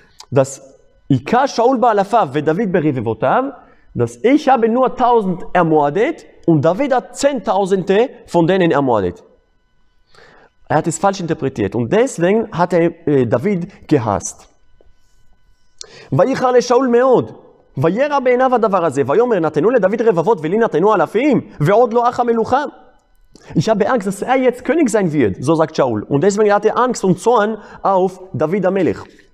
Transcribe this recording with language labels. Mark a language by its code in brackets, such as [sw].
[de] Dass [he] Ika Shaul ba'alafav ve David berivivotav, [de] dass ich habe nur 1.000 ermordet und David hat 10.000 von denen ermordet. Er hat es falsch interpretiert und deswegen hat er David gehasst. [he] ויחר לשאול מאוד, וירא בעיניו הדבר הזה, ויאמר נתנו לדוד רבבות ולי נתנו אלפים, ועוד לא אח המלוכה. [de] Ich habe Angst, dass er jetzt König sein wird, so sagt Shaul. Und deswegen hatte er Angst und Zorn auf David המלך.